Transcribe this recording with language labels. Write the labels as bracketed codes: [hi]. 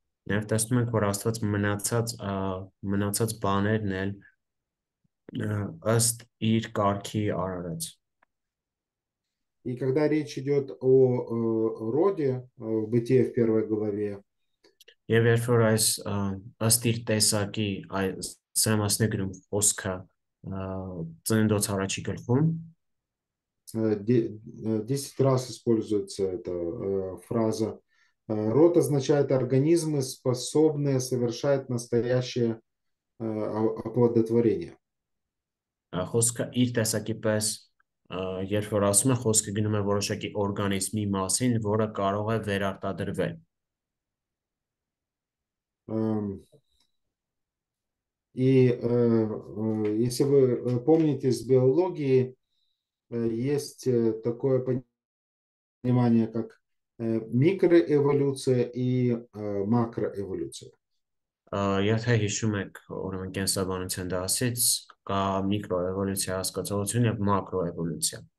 [hy] Նաև տեսնում ենք, որ Աստված մնացած բաներն էլ ըստ իր կարգի արարած։ [ru] И когда речь идет о роде, в Бытие в первой главе, [hy] Եվ երբ որ այս ըստ իր տեսակի այս սրամասնե գրում խոսքը ծննդոց առաջի գլխում, [ru] 10 раз используется эта фраза. Род означает организмы, способные совершать настоящее оплодотворение. [hy] Խոսքը իր տեսակի պես, երբ որ ասում է, խոսքը գնում է որոշակի օրգանիզմի մասին, որը կարող է վերարտադրվել։ [ru] И если вы помните из биологии, есть такое понимание, как микроэволюция и макроэволюция. [hy] Եթե հիշում եք, ուրեմն կենսաբանության դասից, կա միկրոէվոլյուցիա հասկացողություն եւ մակրոէվոլյուցիա։